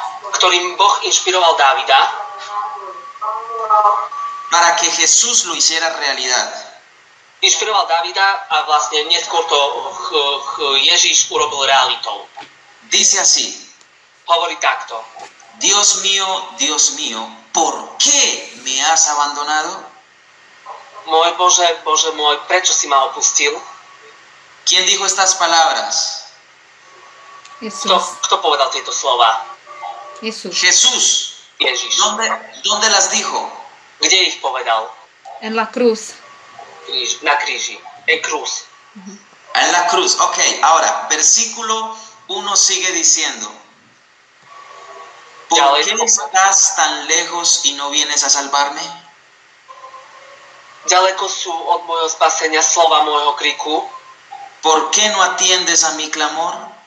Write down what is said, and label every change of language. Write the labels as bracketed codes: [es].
[sk] ktorým Boh inšpiroval Dávida, [es] para que Jesús lo hiciera realidad. [sk] Inšpiroval Dávida a vlastne neskôr to Ježíš urobil realitou. [es] Dice así. [sk] Hovorí takto. [es] Dios mío, ¿por qué me has abandonado? [sk] Môj Bože, Bože môj, prečo si ma opustil? [es] ¿Quién dijo estas palabras? [sk] Kto povedal tieto slova? [es] Jesús. [sk] Ježiš. [es] ¿Dónde las dijo? [sk] Kde ich povedal? [es] En la cruz. [sk] Na kríži. [es] En cruz. En la cruz. Ok, ahora, versículo 1 sigue diciendo. ¿Por qué estás tan lejos y no vienes a salvarme? [sk] Ďaleko sú od môjho spasenia slova môjho kriku. [es] ¿Por qué no atiendes a mi clamor?